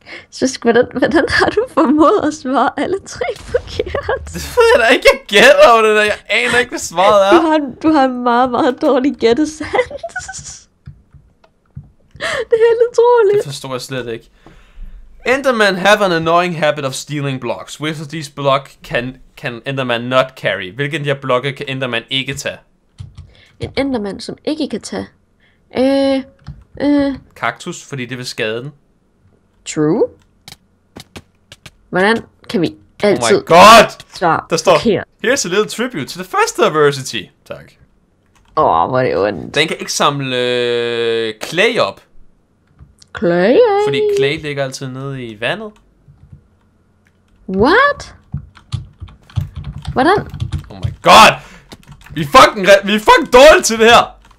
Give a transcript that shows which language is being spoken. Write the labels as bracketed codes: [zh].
[da] Søsk, hvordan har du formået at svare alle tre forkert? Det ved jeg da ikke, jeg gætter over det der. Jeg aner ikke, hvad svaret er. Du har en meget, meget dårlig gættesans. Det er helt utroligt. Det forstår jeg slet ikke. [en] Enderman have an annoying habit of stealing blocks. Which of these blocks can Enderman not carry? [da] Hvilken der blokke kan Enderman ikke tage? En Enderman, som ikke kan tage? Kaktus, fordi det vil skade den. True. Hvordan kan vi altid... [en] Oh my god! [da] Der står, [en] here's a little tribute to the first adversity. [da] Tak. Hvor er det ondt. Den kan ikke samle clay op. Clay? Fordi clay ligger altid nede i vandet. What? Hvordan? [en] Oh my God! [da] Vi er fucking dårlige til det her!